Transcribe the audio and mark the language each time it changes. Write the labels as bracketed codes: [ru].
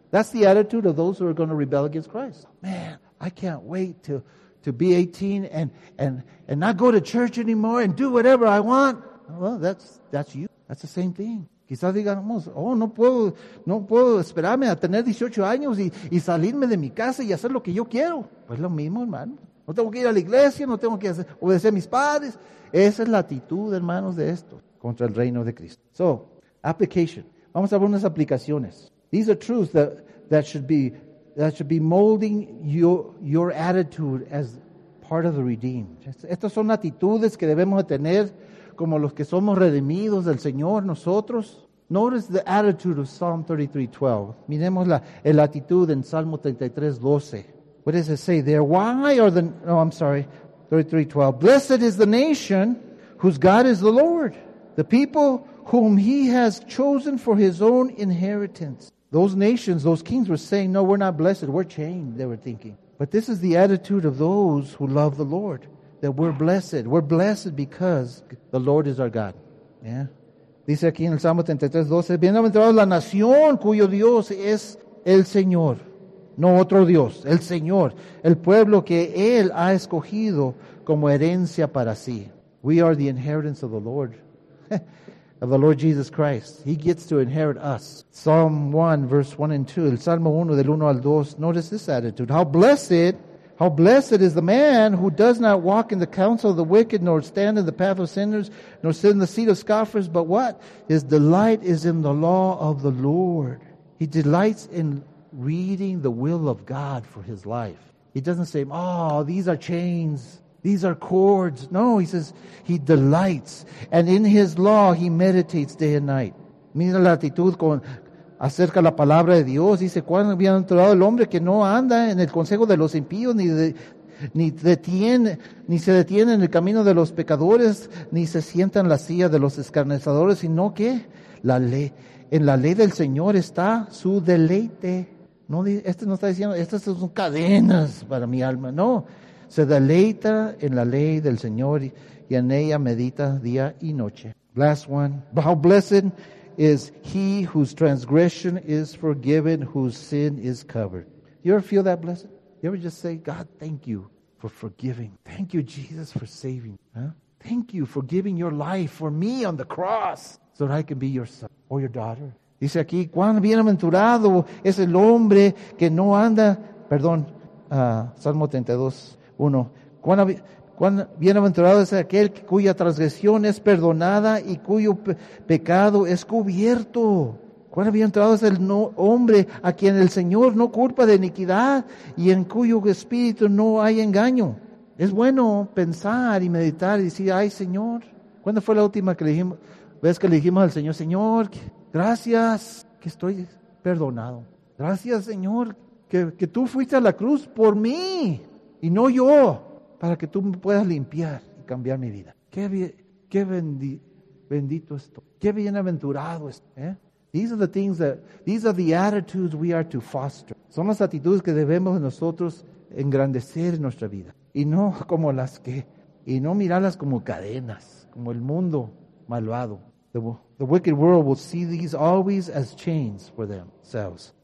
[en] That's the attitude of those who are going to rebel against Christ. Man, I can't wait to be 18 and not go to church anymore and do whatever I want. Well, that's you. That's the same thing. [es] Quizás digamos, no puedo esperarme a tener 18 años y salirme de mi casa y hacer lo que yo quiero. Pues lo mismo, hermano. No tengo que ir a la iglesia, no tengo que obedecer a mis padres. Esa es la actitud, hermanos, de esto contra el reino de Cristo. [en] So, application. [es] Vamos a ver unas aplicaciones. [en] These are truths that should be molding your attitude as part of the redeemed. [es] Estas son actitudes que debemos tener como los que somos redimidos del Señor nosotros. [en] Notice the attitude of Psalm 33:12. [es] Miremos la actitud en Salmo 33:12. [en] What does it say there? Why are the... Oh, I'm sorry. 33:12. Blessed is the nation whose God is the Lord, the people whom he has chosen for his own inheritance. Those nations, those kings were saying, no, we're not blessed. We're chained, they were thinking. But this is the attitude of those who love the Lord, that we're blessed. We're blessed because the Lord is our God. Yeah. [es] Dice aquí en el Salmo 33:12, bienaventurado la nación cuyo Dios es el Señor. No otro Dios, el Señor, el pueblo que Él ha escogido como herencia para sí. [en] We are the inheritance of the Lord, of the Lord Jesus Christ. He gets to inherit us. Psalm 1, verse 1 and 2. [es] El Salmo 1, del 1 al 2. [en] Notice this attitude. How blessed is the man who does not walk in the counsel of the wicked, nor stand in the path of sinners, nor sit in the seat of scoffers, but what? His delight is in the law of the Lord. He delights in reading the will of God for his life. He doesn't say, oh, these are chains, these are cords. No, he says, he delights. And in his law, he meditates day and night. [es] Mira la actitud con acerca la palabra de Dios. Dice, ¿cuán bienaventurado el hombre que no anda en el consejo de los impíos, ni se detiene en el camino de los pecadores, ni se sienta en la silla de los escarnecedores, sino que la ley, en la ley del Señor está su deleite. No, este no está diciendo, estas son cadenas para mi alma. No, se deleita en la ley del Señor y en ella medita día y noche. [en] Last one. How blessed is he whose transgression is forgiven, whose sin is covered. You ever feel that blessing? You ever just say, God, thank you for forgiving. Thank you, Jesus, for saving. Huh? Thank you for giving your life for me on the cross so that I can be your son or your daughter. [es] Dice aquí, cuán bienaventurado es el hombre que no anda, perdón, Salmo 32:1. Cuán bienaventurado es aquel cuya transgresión es perdonada y cuyo pecado es cubierto. Cuán bienaventurado es el hombre a quien el Señor no culpa de iniquidad y en cuyo espíritu no hay engaño. Es bueno pensar y meditar y decir, ay Señor, ¿cuándo fue la última vez que le dijimos al Señor, Señor, gracias que estoy perdonado? Gracias, Señor, que tú fuiste a la cruz por mí y no yo, para que tú me puedas limpiar y cambiar mi vida. Qué bendito esto. Qué bienaventurado esto. [en] These are the attitudes we are to foster. [es] Son las actitudes que debemos nosotros engrandecer en nuestra vida. Y no mirarlas como cadenas, como el mundo malvado. [en] The wicked world will see these always as chains for themselves.